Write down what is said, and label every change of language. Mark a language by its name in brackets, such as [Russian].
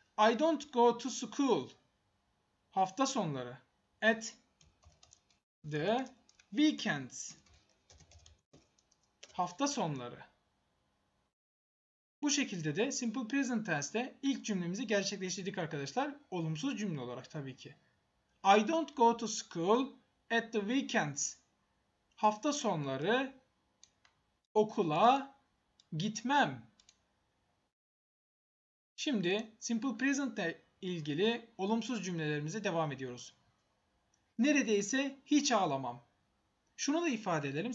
[English] I don't go to school. [Turkish] Hafta sonları. [English] At the weekends. [Turkish] Hafta sonları. Bu şekilde de simple present tense'te ilk cümlemizi gerçekleştirdik arkadaşlar. Olumsuz cümle olarak tabii ki. [English] I don't go to school at the weekends. [Turkish] Hafta sonları okula gitmem. Şimdi simple present ile ilgili olumsuz cümlelerimize devam ediyoruz. Neredeyse hiç ağlamam. Şunu da ifade edelim.